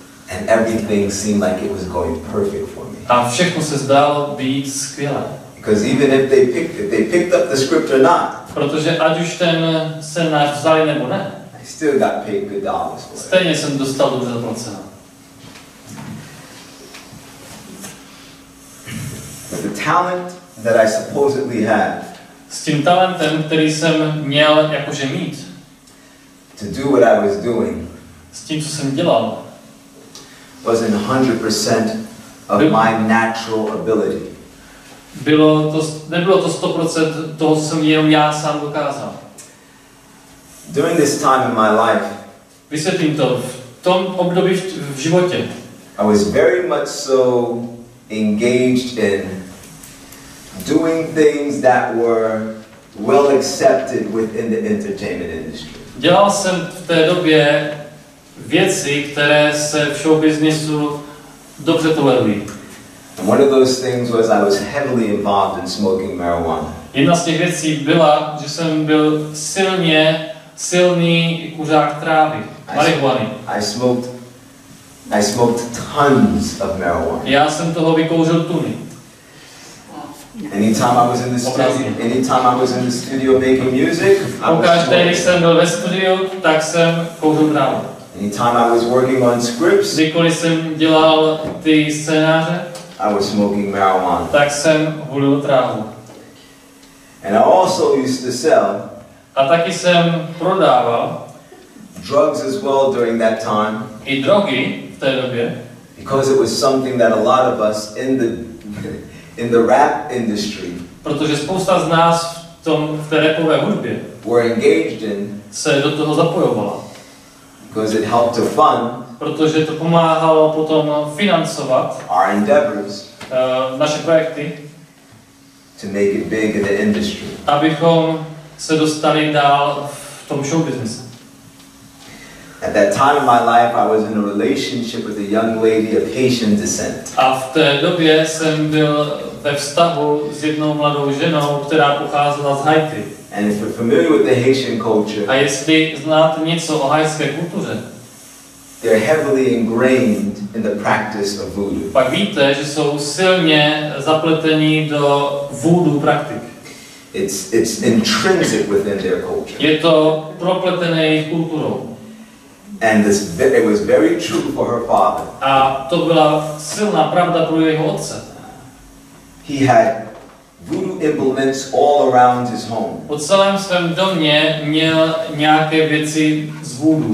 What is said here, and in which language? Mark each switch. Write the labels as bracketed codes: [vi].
[en] And everything seemed like it was going perfect for me. [cs] A všechno se zdálo být skvělé. [en] Because even if they picked it, they picked up the script or not. [cs] Protože ať už ten scénář vzali nebo ne. [en] I still got paid good dollars for it. [cs] Stejně jsem dostal dobře zaplaceno. [en] The talent that I supposedly had. [cs] S tím talentem, který jsem měl jakože mít. [en] To do what I was doing. [cs] S tím, co jsem dělal. [en] Was in 100% of my natural ability. [cs] Nebylo to 100% toho, co jsem jenom já sám dokázal. [en] During this time in my life. [cs] Vysvětlím to. V tom období v životě. [en] I was very much so engaged in doing things that were well accepted within the entertainment industry. [cs] Dělal jsem v té době věci, které se v show businessu dobře tolerují. [en] And one of those things was I was heavily involved in smoking marijuana. [cs] Jedna z těch věcí byla, že jsem byl silný kuřák trávy, marihuany. [en] I smoked tons of marijuana. [cs] Já jsem toho vykouřil tuny. [en] Anytime I was in the studio making music, I was smoking. [cs] Když jsem byl ve studiu, tak jsem kouřil trávu. [en] Anytime I was working on scripts, [cs] kdykoliv jsem dělal ty scénáře, [en] I was smoking marijuana. [cs] Tak jsem hulil trávu. [en] And I also used to sell. [cs] A taky jsem prodával. [en] Drugs as well during that time. [cs] I drogy v té době. [en] Because it was something that a lot of us in the rap industry. [cs] Protože spousta z nás v té rapové hudbě. [en] Were engaged in. [cs] Se do toho zapojovala. [en] Because it helped to fund. [cs] Protože to pomáhalo potom financovat. [en] Our endeavors. [cs] Naše projekty. [en] To make it big in the industry. [cs] Abychom se dostali dál v tom show businessu. [en] At that time in my life, I was in a relationship with a young lady of Haitian descent. [cs] A v té době jsem byl ve vztahu s jednou mladou ženou, která pocházela z Haiti. [en] And if you're familiar with the Haitian culture, [cs] a jestli znáte něco o haitské kultuře, [en] they're heavily ingrained in the practice of voodoo. [cs] Pak víte, že jsou silně zapletení do voodoo praktik. [en] It's intrinsic within their culture. [cs] Je to propletené jejich kulturou. [en] And this, it was very true for her father. [cs] A to byla silná pravda pro jeho otce. [en] He had voodoo implements all around his home. [cs] Po celém svém domě měl nějaké věci z voodoo.